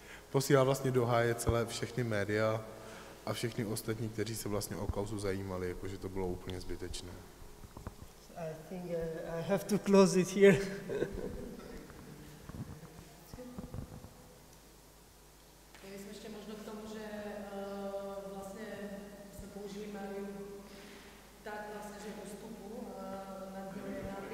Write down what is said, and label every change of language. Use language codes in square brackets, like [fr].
[cs] Posílá vlastně do háje celé všechny média a všechny ostatní, kteří se vlastně o kauzu zajímali, jakože to bylo úplně zbytečné. [en] I think I have to close it here. [cs] Ještě možno k tomu, že vlastně jsme použili Mariu tak vlastně, že postupu na